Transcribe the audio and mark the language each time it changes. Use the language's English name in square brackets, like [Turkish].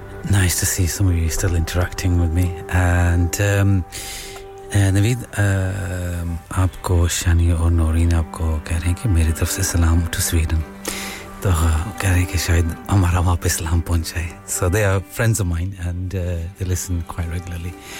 [English] nice to see some of you still interacting with me. [Urdu] And نوید، آپکو شانی اور نورین آپکو کہہ رہے ہیں کی میری طرف سے سلام [English] to Sweden. [Urdu] تو کہہ رہے ہیں کی شاید ہمارا واپس سلام پہنچ جائے۔ [English] So they are friends of mine and they listen quite regularly.